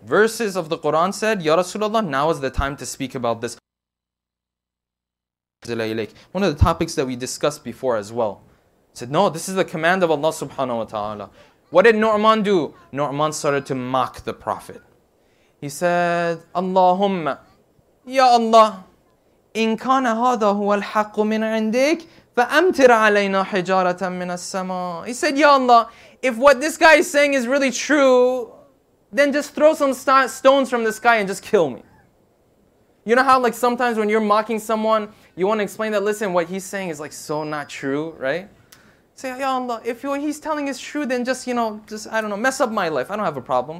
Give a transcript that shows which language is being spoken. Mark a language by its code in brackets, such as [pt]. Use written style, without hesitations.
[en] Verses of the Quran said, Ya Rasulullah, now is the time to speak about this. One of the topics that we discussed before as well. He said, no, this is the command of Allah subhanahu wa ta'ala. What did Nu'man do? Nu'man started to mock the Prophet. He said, Allahumma, Ya Allah, [ar] إن كان هذا هو الحق من عندك فأمطر علينا حجارة من السماء. [en] He said, Ya Allah, if what this guy is saying is really true, then just throw some stones from the sky and just kill me. You know how like sometimes when you're mocking someone, you want to explain that, listen, what he's saying is like so not true, right? Say, Ya Allah, if what he's telling is true, then just, you know, just, I don't know, mess up my life. I don't have a problem.